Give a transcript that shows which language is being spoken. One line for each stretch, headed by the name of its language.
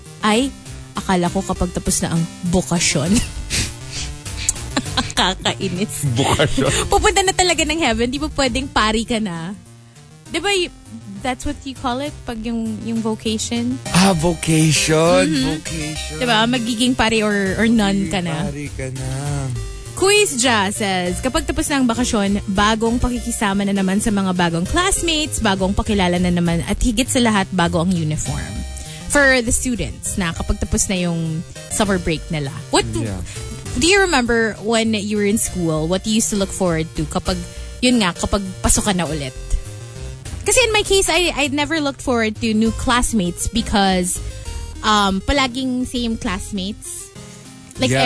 Filipino: Ay, akala ko kapag tapos na ang bukasyon. Kakainis. Bukasyon. Pupunta na talaga ng heaven, di ba pwedeng pari ka na? Di ba,
English: that's what you call it?
Filipino: Pag yung vocation?
English: Ah, vocation. Mm-hmm. Vocation.
Filipino: Diba? Magiging pari or nun ka na. Pari ka na. Quiz Ja says, kapag tapos na ang bakasyon, bagong pakikisama na naman sa mga bagong classmates, bagong pakilala na naman, at higit sa lahat, bago ang uniform.
English: For the students
Filipino: na kapag tapos na yung
English: summer break
Filipino: nila.
English: Do you remember when you were in school, what you used to look forward to
Filipino: kapag, yun nga, kapag pasok ka na ulit?
English: Kasi in my case, I never looked forward to new classmates because
Filipino: palaging
English: same classmates. Like yeah.